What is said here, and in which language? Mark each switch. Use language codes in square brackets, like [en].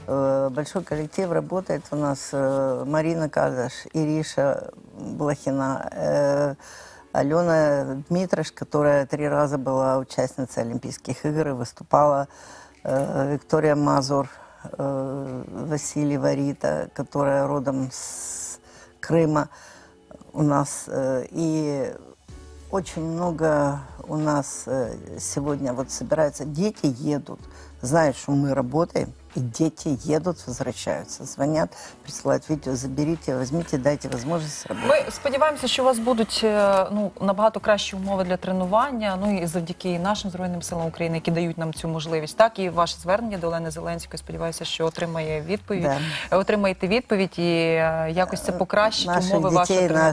[uk] Великий колектив працює у нас Марина Казаш, Іріша Блохіна, Альона Дмитриш, яка три рази була учасницею Олімпійських ігор, виступала Вікторія Мазур, Василий Варита, [ru] которая родом с Крыма у нас. И очень много у нас сегодня вот собирается. Дети едут. Знают, что мы работаем. И дети едут, возвращаются. Звонят, присылают видео. Заберите, возьмите, дайте возможность работать. [uk] Ми сподіваємося, що у вас будуть набагато кращі умови для тренування. Ну і завдяки і нашим Збройним силам України, які дають нам цю можливість. Так, і ваше звернення до Олени Зеленської. Сподіваюся, що отримає відповідь. Да. Отримаєте відповідь і якось це покращить наших умови вашого тренування.